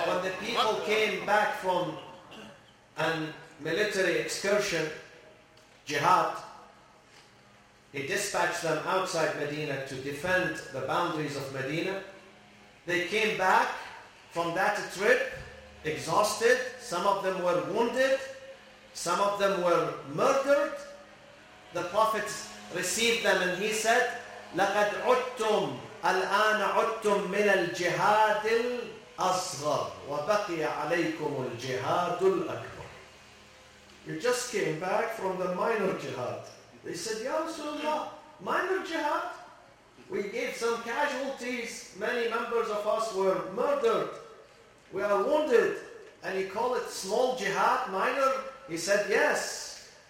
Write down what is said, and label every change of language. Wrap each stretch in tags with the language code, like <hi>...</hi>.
<en>When the people came back from a military excursion, jihad, he dispatched them outside Medina to defend the boundaries of Medina. They came back from that trip exhausted. Some of them were wounded. Some of them were murdered. The Prophet received them and he said,</en> <ar>لَقَدْ عُدْتُمْ الْآنَ عُدْتُمْ مِنَ الْجِهَادِ الْأَصْغَرِ وَبَقِيَ عَلَيْكُمُ الْجِهَادُ الْأَكْبَرِ.</ar> <en>You just came back from the minor jihad. They said, Ya Rasulullah, minor jihad? We gave some casualties. Many members of us were murdered. We are wounded. And you call it small jihad, minor? He said, yes.</en>